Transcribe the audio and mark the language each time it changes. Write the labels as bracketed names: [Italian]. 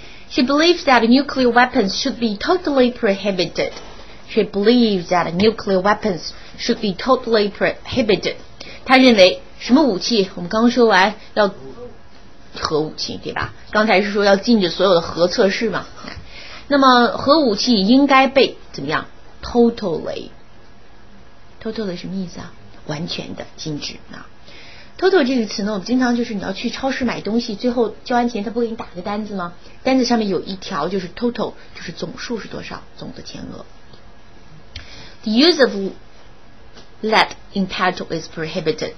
[English] She believes that nuclear weapons should be totally prohibited. She believes that nuclear weapons should be totally prohibited. [Chinese] 她认为什么武器，我们刚说完要核武器对吧，刚才是说要禁止所有的核测试嘛，那么核武器应该被怎么样Totally 什么意思啊？完全的，禁止啊。Total 这个词呢，我们经常就是你要去超市买东西，最后交完钱，他不给你打个单子吗？单子上面有一条就是 total， 就是总数是多少，总的钱额。 [English] The use of lead in petrol is prohibited。